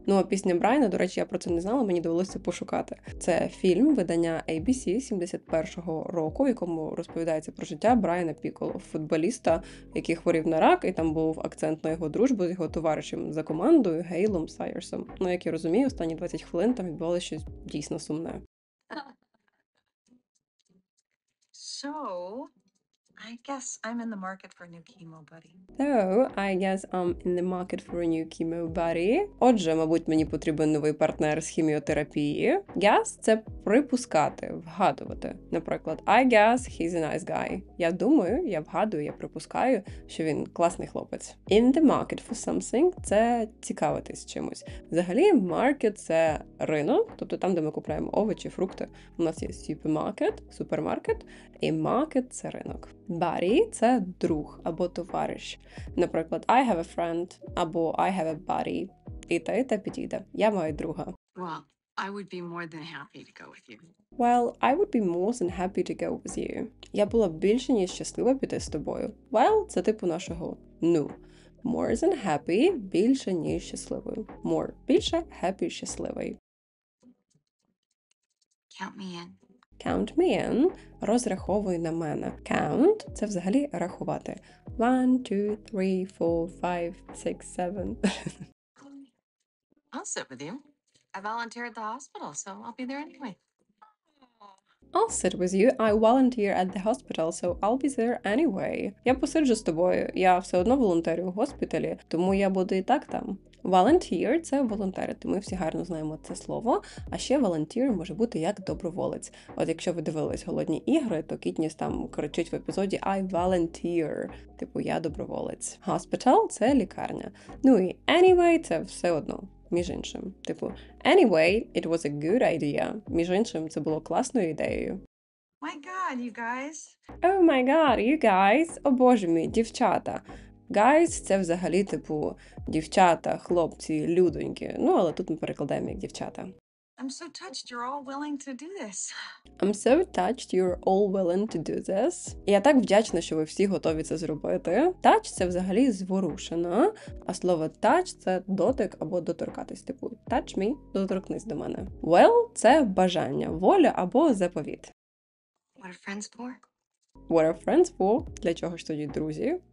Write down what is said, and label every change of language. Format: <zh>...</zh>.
<uk>Ну, а пісня Брайана, до речі, я про це не знала, мені довелося пошукати. Це фільм видання ABC 71-го року, в якому розповідається про життя Брайана Піколо, футболіста, який хворів на рак, і там був акцент на його дружбу з його товаришем за командою Гейлом Сайерсом. Ну, як я розумію, останні 20 хвилин там відбувалося щось дійсно сумне.</uk> <en>So, I guess I'm in the market for a new chemo buddy. So, I guess I'm in the market for a new chemo buddy.</en> <uk>Отже, мабуть, мені потрібен новий партнер з хіміотерапії. Guess – це припускати, вгадувати. Наприклад,</uk> <en>I guess he's a nice guy.</en> <uk>Я думаю, я вгадую, я припускаю, що він класний хлопець. In the market for something – це цікавитись чимось. Взагалі, market – це ринок, тобто там, де ми купуємо овочі, фрукти. У нас є supermarket, супермаркет, і market – це ринок. Buddy – це друг або товариш. Наприклад,</uk> <en>I have a friend</en> <uk>або</uk> <en>I have a buddy.</en> <uk>І та підійде. Я маю друга.</uk> <en>Well, I would be more than happy to go with you. Well, I would be more than happy to go with you.</en> <uk>Я була б більше ніж щаслива піти з тобою. Well, це типу нашого ну.</uk> <en>More than happy</en> <uk>– більше ніж щасливою. More – більше, happy – щасливий.</uk> <en>Count me in. Count me in</en> <uk>– розраховуй на мене. Count – це взагалі рахувати.</uk> <en>1, 2, 3, 4, 5, 6, 7. I'll sit with you. I volunteer at the hospital, so I'll be there anyway. I'll sit with you. I volunteer at the hospital, so I'll be there anyway.</en> <uk>Я посиджу з тобою. Я все одно волонтерю в госпіталі, тому я буду і так там. Volunteer – це волонтерити. Ми всі гарно знаємо це слово. А ще волонтер може бути як доброволець. От якщо ви дивились «Голодні ігри», то Кітніс там кричить в епізоді</uk> <en>«I volunteer».</en> <uk>Типу, я доброволець. Hospital – це лікарня. Ну і anyway – це все одно. Між іншим. Типу,</uk> <en>anyway, it was a good idea.</en> <uk>Між іншим, це було класною ідеєю.</uk> <en>My God, you guys. Oh my God, you guys.</en> <uk>О, боже мій, дівчата. Guys – це взагалі, типу, дівчата, хлопці, людоньки. Ну, але тут ми перекладаємо як дівчата.</uk> <en>I'm so touched you're all willing to do this. I'm so touched you're all willing to do this.</en> <uk>Я так вдячна, що ви всі готові це зробити. Touch – це взагалі зворушено, а слово touch – це дотик або доторкатись. Типу,</uk> <en>touch me</en> <uk>– доторкнись до мене. Well – це бажання, воля або заповіт.</uk> <en>What are friends for? What are friends for?</en> <uk>Для чого ж тоді друзі?</uk>